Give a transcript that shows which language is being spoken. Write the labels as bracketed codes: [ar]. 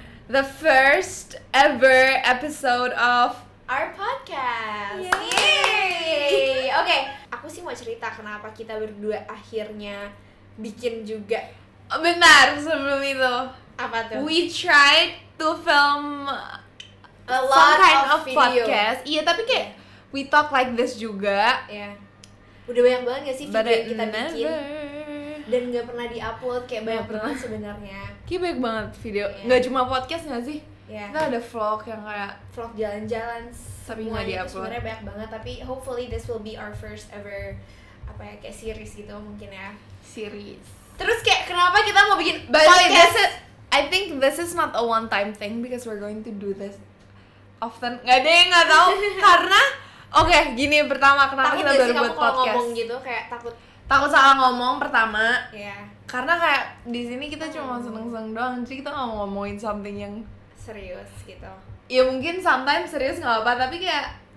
[en] the first ever episode of our podcast. Yay! Okay. [id] Aku sih mau cerita kenapa kita berdua akhirnya bikin juga. Benar, sebelum itu. Apa tuh? [en] We tried to film a lot some kind of podcast. [id] Iya, tapi kayak [en] we talk like this [id] juga. Yeah. Udah banyak banget gak sih video yang kita never bikin dan gak pernah di-upload, kayak banyak banget sebenarnya. Kayak banyak banget video, yeah. Gak cuma podcast gak sih? [en] Yeah. [id] Kita ada vlog yang kayak vlog jalan-jalan. Tapi nggak di-upload. Sebenarnya banyak banget, tapi [en] hopefully this will be our first ever [id] apa ya, kayak series gitu mungkin ya. [en] Series. [id] Terus kayak kenapa kita mau bikin podcast? [en] I think this is not a one time thing because we're going to do this often. [id] Nggak ada yang nggak tahu karena oke, okay, gini pertama kenapa takut kita baru buat podcast? Takut sih kamu kalau ngomong gitu kayak takut. Takut salah ngomong pertama. Iya. Yeah. Karena kayak di sini kita cuma seneng-seneng doang, jadi kita nggak mau ngomongin something yang serius gitu. Ya mungkin sometimes serius gak apa-apa, tapi kayak